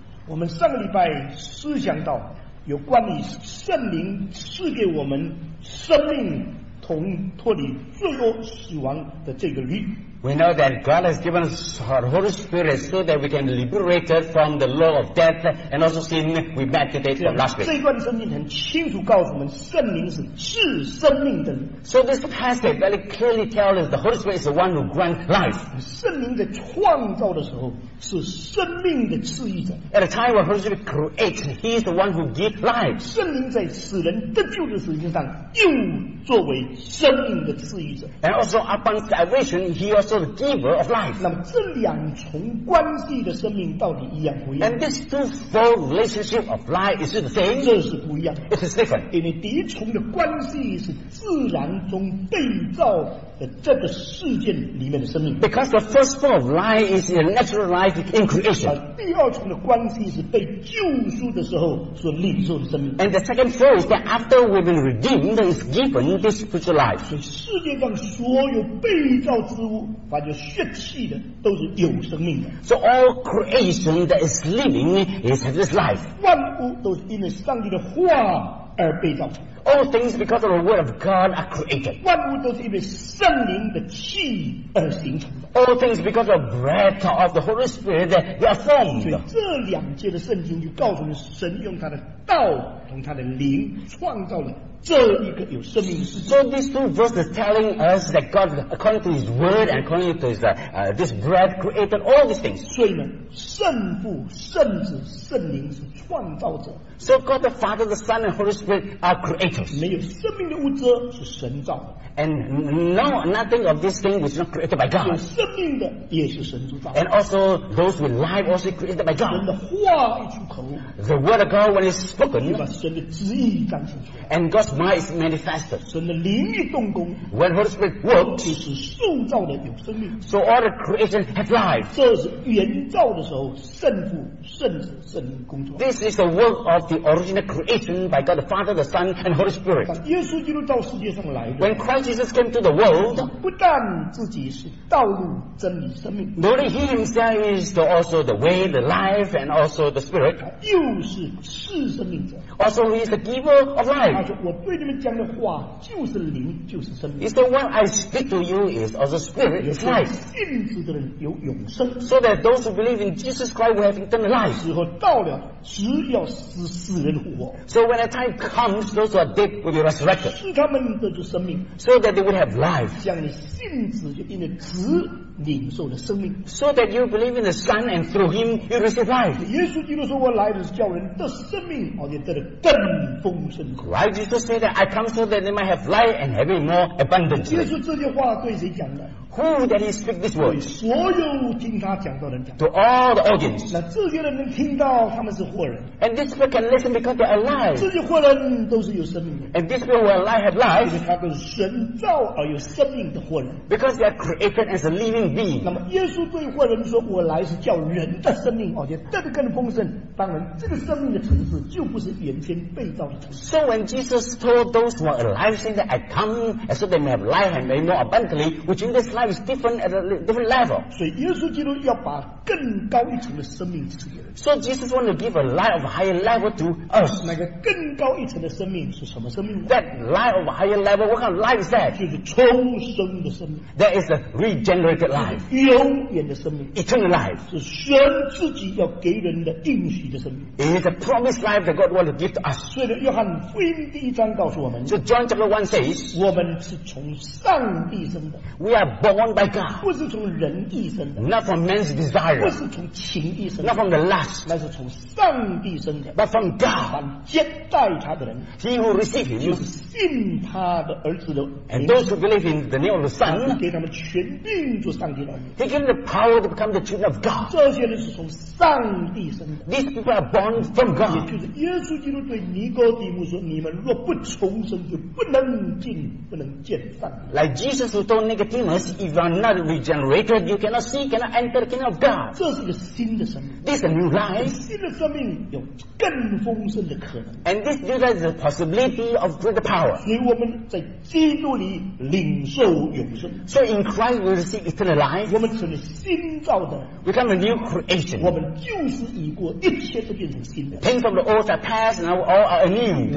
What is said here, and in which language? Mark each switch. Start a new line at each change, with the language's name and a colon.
Chinese: 我们上个礼拜思想到有关于圣灵赐给我们生命，同脱离罪恶死亡的这个律。
English: We know that God has given us our Holy Spirit so that we can liberate us from the law of death and also sin. We met today from last week.
Chinese: 这段圣经很清楚告诉我们，圣灵是赐生命的。
English: So this passage very clearly tells us the Holy Spirit is the one who grants life.
Chinese: 圣灵在创造的时候是生命的赐予者。
English: At a time when Holy Spirit creates, He is the one who gives life.
Chinese: 圣灵在使人得救的时候，上又作为生命的赐予者。
English: And also upon salvation, He also the giver of life.
Chinese: 那么这两重关系的生命到底一样不一样？
English: And this twofold relationship of life is the same.
Chinese: 这是不一样。
English: It is different.
Chinese: 因为第一重的关系是自然中被造的这个世界里面的生命。
English: Because the first form of life is a natural life in creation.
Chinese: 第二重的关系是被救赎的时候所领受的生命。
English: And the second form is that after we've been redeemed, is given this spiritual life.
Chinese: 所以世界上所有被造之物，发觉血气的都是有生命的。
English: So all creation that is living is this life.
Chinese: 万物都是因为上帝的话而被造。
English: All things because of the word of God are created.
Chinese: 万物都是因为圣灵的气而形成的。
English: All things because of breath of the Holy Spirit that they are formed.
Chinese: 所以这两节的圣经就告诉你，神用他的道和他的灵创造了这一个有生命的事。
English: So these two verses telling us that God, according to His word and according to His this bread, created all these things.
Chinese: 所以呢，圣父、圣子、圣灵是创造者。
English: So God the Father, the Son, and Holy Spirit are creators.
Chinese: 没有生命的物质是神造的。
English: And no, nothing of this thing was not created by God.
Chinese: 有生命的也是神造的。
English: And also those with life also created by God.
Chinese: 人的话一出口，
English: the word of God when it's spoken,
Chinese: 就把神的旨意彰显出来。
English: And God's mind is manifested.
Chinese: 神的灵一动工，
English: when Holy Spirit works,
Chinese: 就是塑造的有生命。
English: So all the creation has life.
Chinese: 这是原造的时候圣父、圣子、圣灵工作。
English: This is the work of the original creation by God the Father, the Son, and Holy Spirit.
Chinese: 当耶稣基督到世界上来的，
English: when Christ Jesus came to the world,
Chinese: 不但自己是道路、真理、生命，
English: not only He Himself is the, also the way, the life, and also the Spirit,
Chinese: 又是赐生命者。
English: Also He is the giver of life.
Chinese: 他说我对你们讲的话就是灵，就是生命。
English: It's the one I speak to you is also spirit, is life.
Chinese: 信主的人有永生。
English: So that those who believe in Jesus Christ will have eternal life.
Chinese: 时候到了，只要使死人活。
English: So when the time comes, those who are dead will be resurrected.
Chinese: 使他们得着生命。
English: So that they would have life.
Chinese: 像你信主就因为子领受了生命。
English: So that you believe in the Son and through Him you receive life.
Chinese: 耶稣基督说我来的是叫人得生命，而且得的更丰盛。
English: Right, Jesus said that I come so that they might have life and have it more abundantly.
Chinese: 耶稣这句话对谁讲的？
English: Who did he speak this word?
Chinese: 所有听他讲到的人讲,
English: to all the audience.
Chinese: 那这些人能听到他们是活人,
English: and these people can listen because they are alive.
Chinese: 这些活人都是有生命的,
English: and these people who are alive have life.
Chinese: 因为他们神造而有生命的活人,
English: because they are created as a living being.
Chinese: 那么耶稣对活人说, 我来是叫人的生命而且更丰盛当然这个生命的层次就不是原先被造的层次。
English: So when Jesus told those who are alive saying that I come as so they may have life and may more abundantly, which in this life is different at a different level.
Chinese: 所以耶稣基督要把更高一层的生命赐给人。
English: So Jesus wants to give a life of higher level to us.
Chinese: 那个更高一层的生命是什么生命?
English: That life of higher level, what kind of life is that?
Chinese: 就是重生的生命。
English: That is a regenerated life.
Chinese: 永远的生命。
English: Eternal life.
Chinese: 是神自己要给人的应许的生命。
English: It is a promised life that God wants to give to us.
Chinese: 所以约翰福音第一章告诉我们,
English: So John chapter 1 says,
Chinese: 我们是从上帝生的。
English: We are born by God.
Chinese: 不是从人意生的。
English: Not from man's desire.
Chinese: 不是从情意生的。
English: Not from the lust.
Chinese: 那是从上帝生的。
English: But from God.
Chinese: 接待他的人,
English: he who receive him,
Chinese: 就是信他的儿子的名,
English: and those who believe in the name of the Son,
Chinese: 给他们权柄做上帝的儿子。
English: He gave the power to become the children of God.
Chinese: 这些人是从上帝生的。
English: These people are born from God.
Chinese: 也就是耶稣基督对尼哥底母说, 你们若不重生, 就不能进, 不能见上帝。
English: Like Jesus who told Nicodemus, if you are not regenerated, you cannot see, cannot enter the kingdom of God.
Chinese: 这是一个新的生命。
English: This is a new life.
Chinese: 新的生命有更丰盛的可能。
English: And this new life is a possibility of greater power.
Chinese: 所以我们在基督里领受永生。
English: So in Christ we receive eternal life.
Chinese: 我们成了新造的。
English: Become a new creation.
Chinese: 我们旧事已过，一切都变成新的。
English: Things from the old are past, and all are new.